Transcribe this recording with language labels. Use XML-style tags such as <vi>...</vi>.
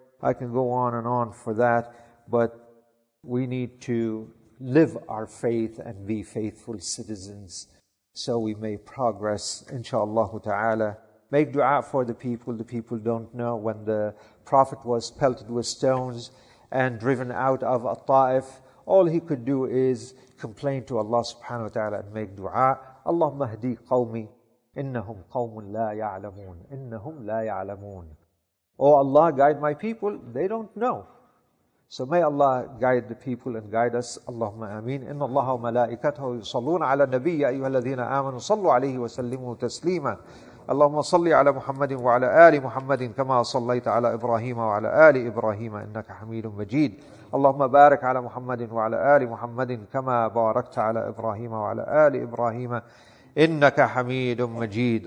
<en>I can go on and on for that, but we need to live our faith and be faithful citizens so we may progress, inshallah ta'ala. Make dua for the people. The people don't know when the Prophet was pelted with stones and driven out of At-Ta'if, all he could do is complain to Allah subhanahu wa ta'ala and make dua.</en> <ar>Allahumma hdi qawmi. إنهم قوم لا يعلمون إنهم لا يعلمون.</ar> <en>Oh Allah, guide my people. They don't know. So may Allah guide the people and guide us.</en> <ar>اللهم آمين. إن الله وملائكته يصلون على النبي أيها الذين آمنوا صلوا عليه وسلموا تسليما. اللهم صل على محمد وعلى آل محمد كما صليت على إبراهيم وعلى آل إبراهيم إنك حميد مجيد. اللهم بارك على محمد وعلى آل محمد كما باركت على إبراهيم وعلى آل إبراهيم إنك حميد مجيد.</ar>